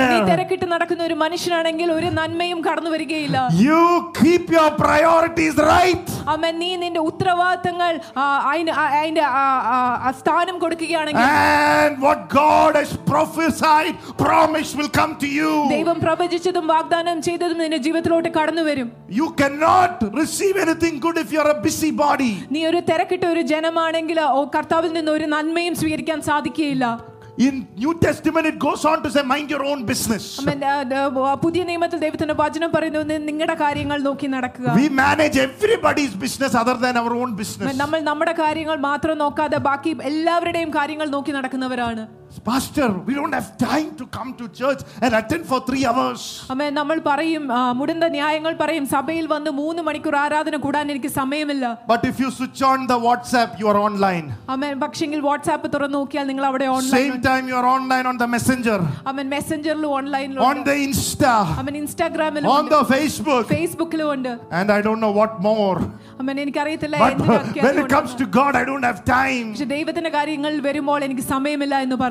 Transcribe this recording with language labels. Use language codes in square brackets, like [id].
[ml] തിരക്കിട്ട് നടക്കുന്ന ഒരു മനുഷ്യനാണെങ്കിൽ ഒരു നന്മയും കടന്നു വരികയില്ല [en] You keep your priorities right. Amen. [ml] നീ നിന്റെ ഉത്തരവാദിത്തങ്ങൾ അതിന്റെ സ്ഥാനം കൊടുക്കുകയാണെങ്കിൽ [en] And what God has prophesied, promise will come to you. [ml] ദൈവം പ്രവചിച്ചതും വാഗ്ദാനം ചെയ്തതും നിന്റെ ജീവിതത്തിലോട്ട് കടന്നു വരും. [en] You cannot receive anything good if you are a busy body. [ml] നീ ഒരു തിരക്കിട്ട ഒരു ജനമാണെങ്കിൽ ഓ കർത്താവിൽ നിന്ന് ഒരു നന്മയും സ്വീകരിക്കാൻ സാധിക്കില്ല. [en] In New Testament it goes on to say mind your own business. Amen. [ml] പുതിയ നിയമത്തിൽ ദൈവത്തിന്റെ വചനം പറയുന്നു നിങ്ങളുടെ കാര്യങ്ങൾ നോക്കി നടക്കുക. [en] We manage everybody's business other than our own business. [ml] നമ്മൾ നമ്മുടെ കാര്യങ്ങൾ മാത്രം നോക്കാതെ ബാക്കി എല്ലാവരുടെയും കാര്യങ്ങൾ നോക്കി നടക്കുന്നവരാണ്. [en] Pastor, we don't have time to come to church and attend for 3 hours. Amen. [ml] നമ്മൾ പറയും മുടന്ത ന്യായങ്ങൾ പറയും സഭയിൽ വന്ന് 3 മണിക്കൂർ ആരാധന കൂടാൻ എനിക്ക് സമയമില്ല. [en] But if you switch on the WhatsApp you are online. Amen. [ml] പക്ഷേങ്കിൽ WhatsApp തുറന്ന് നോക്കിയാൽ നിങ്ങൾ അവിടെ online. [en] Same time you are online on the messenger. [ml] Amen. Messenger ലും ഓൺലൈനിലും. [en] On the Insta. [ml] Amen. Instagram ലും. [en] On the Facebook. [ml] Facebook ലും ഉണ്ട്. [en] And I don't know what more. [ml] Amen. എനിക്ക് അറിയില്ല എന്തിനാ കേറ്റുന്നത്. [en] When it comes to God I don't have time. [ml] പക്ഷേ ദൈവത്തിന്റെ കാര്യങ്ങൾ വരുമ്പോൾ എനിക്ക് സമയമില്ല എന്ന്